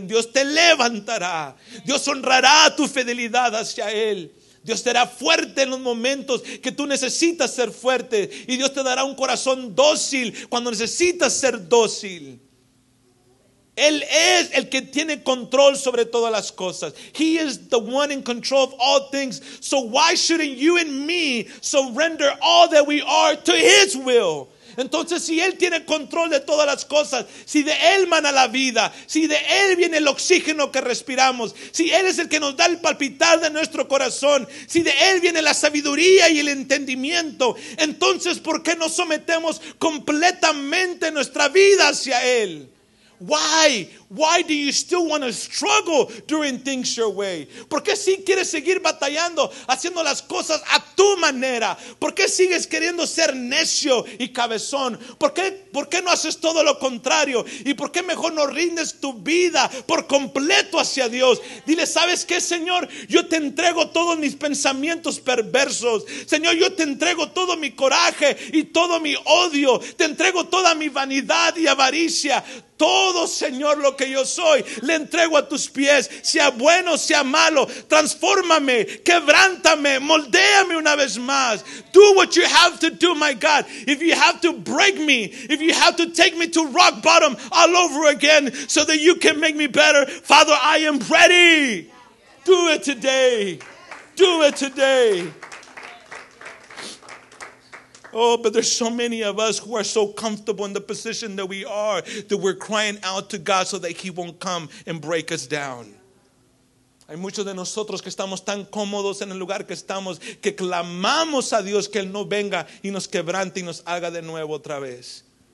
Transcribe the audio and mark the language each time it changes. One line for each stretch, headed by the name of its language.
Spanish: Dios te levantará. Dios honrará tu fidelidad hacia Él. Dios te hará fuerte en los momentos que tú necesitas ser fuerte. Y Dios te dará un corazón dócil cuando necesitas ser dócil. Él es el que tiene control sobre todas las cosas.
English: He is the one in control of all things. So why shouldn't you and me surrender all that we are to His will?
Spanish: Entonces, si Él tiene control de todas las cosas, si de Él mana la vida, si de Él viene el oxígeno que respiramos, si Él es el que nos da el palpitar de nuestro corazón, si de Él viene la sabiduría y el entendimiento, entonces, ¿por qué no sometemos completamente nuestra vida hacia Él?
English: Why do you still want to struggle doing things your way?
Spanish: ¿Por qué si quieres seguir batallando, haciendo las cosas a tu manera? ¿Por qué sigues queriendo ser necio y cabezón? ¿Por qué no haces todo lo contrario? ¿Y por qué mejor no rindes tu vida por completo hacia Dios? Dile, ¿sabes qué, Señor? Yo te entrego todos mis pensamientos perversos. Señor, yo te entrego todo mi coraje y todo mi odio. Te entrego toda mi vanidad y avaricia. Todo, Señor, lo que yo soy, le entrego a tus pies, sea bueno, sea malo, transfórmame, quebrántame, moldéame una vez más.
English: Do what you have to do, my God. If you have to break me, if you have to take me to rock bottom all over again so that you can make me better, Father, I am ready. Do it today. Do it today. Oh, but there's so many of us who are so comfortable in the position that we are that we're crying out to God so that He won't come and break us down.
Spanish: Hay muchos de nosotros que estamos tan cómodos en el lugar que estamos que clamamos a Dios que Él no venga y nos quebrante y nos haga de nuevo otra vez.